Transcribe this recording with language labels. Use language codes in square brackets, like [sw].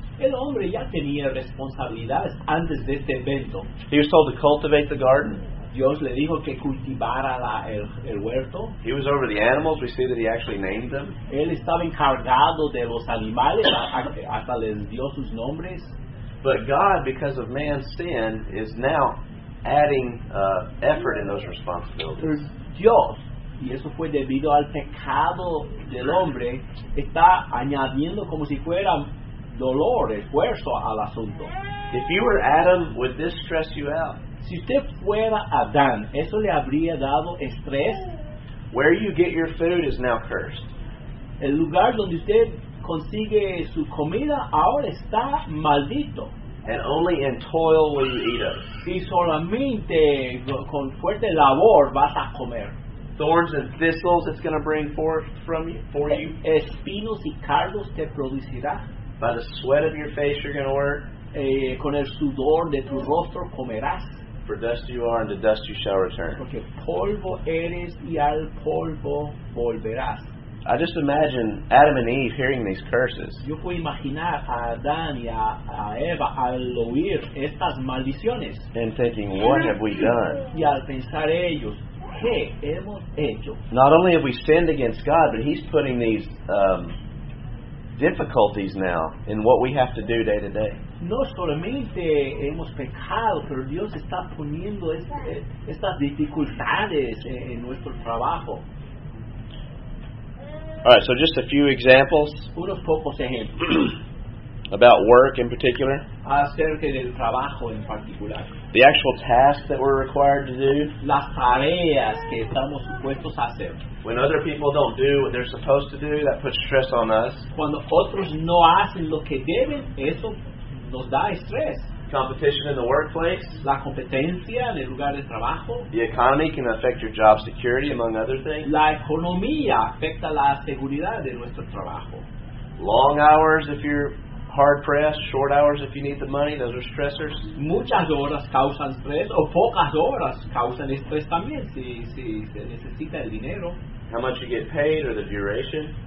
[es] El hombre ya tenía responsabilidades antes de este evento. [en] He was told to cultivate the garden. [es] Dios le dijo que cultivara el huerto. [en] He was over the animals. We see that he actually named them. [es] Él estaba encargado de los animales, hasta les dio sus nombres. [en] But God, because of man's sin, is now adding effort in those responsibilities. [es] Dios, y eso fue debido al pecado del hombre, está añadiendo como si fuera dolor, esfuerzo al asunto. [en] If you were Adam, would this stress you out? [es] Si usted fuera Adán, ¿eso le habría dado estrés? [en] Where you get your food is now cursed. [es] El lugar donde usted consigue su comida ahora está maldito. [en] And only in toil will you eat it. [es] Y solamente con fuerte labor vas a comer. [en] Thorns and thistles it's going to bring forth from you, for you. [es] Espinos y cardos te producirá. [en] By the sweat of your face you're going to work. [es] Con el sudor de tu rostro comerás. [en] For dust you are, and to dust you shall return. [es] Porque polvo eres y al polvo volverás. [en] I just imagine Adam and Eve hearing these curses. [es] Yo puedo imaginar a Adán y a Eva al oír estas maldiciones. [en] And thinking, what have we done? [es] Y al pensar ellos, ¿qué hemos hecho? [en] Not only have we sinned against God, but he's putting these difficulties now in what we have to do day to day. [es] No solamente hemos pecado, pero Dios está poniendo estas dificultades en nuestro trabajo. [en] All right, so just a few examples. [es] Unos pocos ejemplos. [en] About work in particular. [es] Acerca del trabajo en particular. [en] The actual tasks that we're required to do. [es] Las tareas que estamos supuestos a hacer. [en] When other people don't do what they're supposed to do, that puts stress on us. [es] Cuando otros no hacen lo que deben, eso nos da estrés. [en] Competition in the workplace. [es] La competencia en el lugar de trabajo. [en] The economy can affect your job security, among other things. [es] La economía afecta la seguridad de nuestro trabajo. [en] Long hours if you're hard pressed, short hours if you need the money, those are stressors. [es] Muchas horas causan estrés, o pocas horas causan estrés también si se necesita el dinero. [en] How much you get paid or the duration.